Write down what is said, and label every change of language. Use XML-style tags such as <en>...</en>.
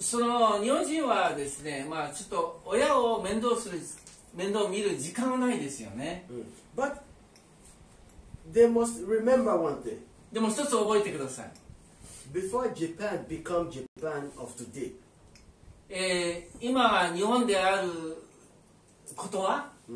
<ja>その日本人はですね、まあちょっと親を面倒見る時間はないですよね。</ja> <en>But they must remember one thing.</en> <ja>でも一つ覚えてください。</ja> <en>Before Japan become Japan of today.</en> <ja>今は日本であることは、</ja>